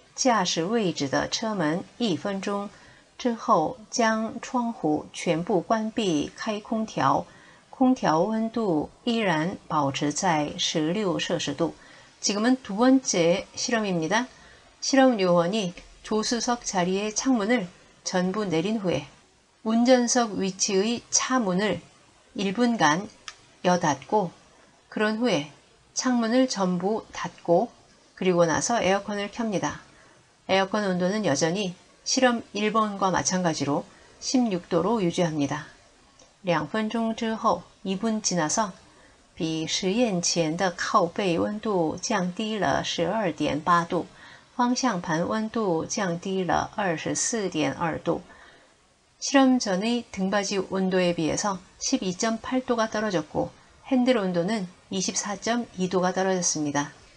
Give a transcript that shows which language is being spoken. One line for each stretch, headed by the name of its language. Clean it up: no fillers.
Chinese: 实验员将副驾驶位置的窗户全部降下来,反复开关驾驶位置的车门1分钟, 之后将窗户全部关闭开空调,空调温度依然保持在16摄氏度.
Korean: 지금은 두 번째 실험입니다. 실험 요원이 조수석 자리의 창문을 전부 내린 후에 운전석 위치의 차 문을 1분간 여닫고 그런 후에 창문을 전부 닫고 그리고 나서 에어컨을 켭니다. 에어컨 온도는 여전히 실험 1번과 마찬가지로 16도로 유지합니다.
Chinese: 2분钟之后,
Korean: 2분 지나서
Chinese: 比实验前的靠背温度降低了12.8度, 方向盘温度降低了24.2度.
Korean: 실험 전의 등받이 온도에 비해서 12.8도가 떨어졌고 핸들 온도는 24.2도가 떨어졌습니다.